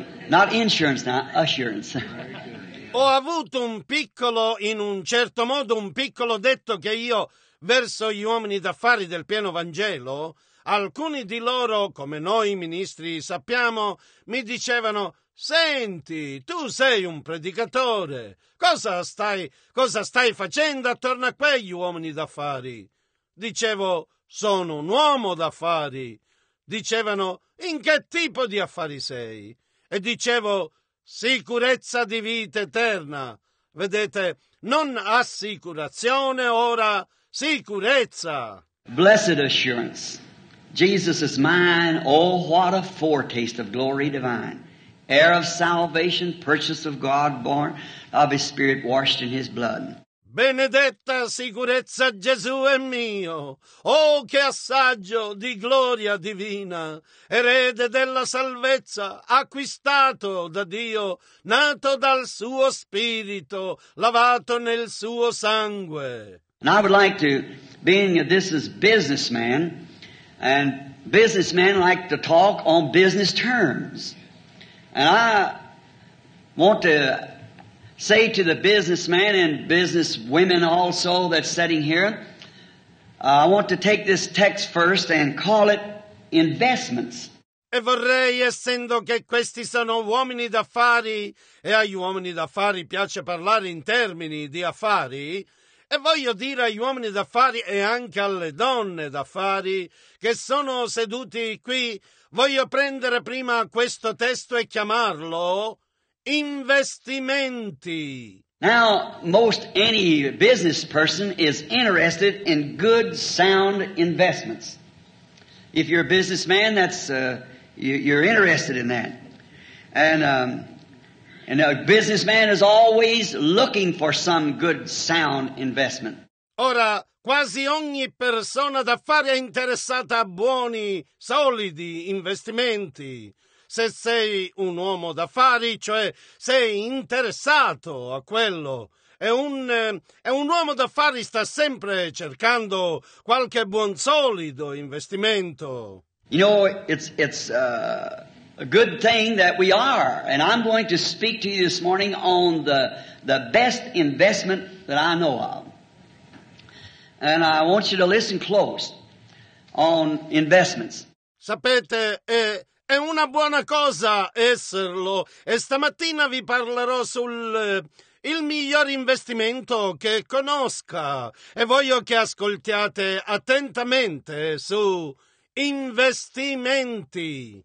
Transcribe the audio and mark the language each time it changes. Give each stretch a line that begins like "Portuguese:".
English: Not insurance, now, assurance.
Italian: Ho avuto un piccolo, in un certo modo, un piccolo detto che io verso gli uomini d'affari del pieno Vangelo, alcuni di loro, come noi ministri sappiamo, mi dicevano, Senti, tu sei un predicatore. Cosa stai facendo attorno a quegli uomini d'affari? Dicevo, sono un uomo d'affari. Dicevano, in che tipo di affari sei? e dicevo sicurezza di vita eterna. Vedete, non assicurazione, ora sicurezza.
English: Blessed assurance. Jesus is mine. Oh, what a foretaste of glory divine. Heir of salvation, purchase of God, born of His Spirit, washed in His blood.
Italian: Benedetta sicurezza, Gesù è mio. Oh, che assaggio di gloria divina. Erede della salvezza, acquistato da Dio, nato dal suo Spirito, lavato nel suo sangue.
English: And I would like to, being that this is businessman, and businessmen like to talk on business terms. And I want to say to the businessmen and business women also that's sitting here, I want to take this text first and call it investments.
Italian: E vorrei, essendo che questi sono uomini d'affari, e agli uomini d'affari piace parlare in termini di affari, e voglio dire agli uomini d'affari e anche alle donne d'affari che sono seduti qui, voglio prendere prima questo testo e chiamarlo investimenti.
English: Now, most any business person is interested in good, sound investments. If you're a businessman, that's you're interested in that. And a businessman is always looking for some good, sound investment.
Italian: Ora, quasi ogni persona d'affari è interessata a buoni, solidi investimenti. Se sei un uomo d'affari, cioè sei interessato a quello. È un uomo d'affari sta sempre cercando qualche buon, solido investimento.
English: You know, a good thing that we are, and I'm going to speak to you this morning on the best investment that I know of. And I want you to listen close on investments.
Italian: Sapete, è una buona cosa esserlo, e stamattina vi parlerò sul il miglior investimento che conosca, e voglio che ascoltiate attentamente su investimenti.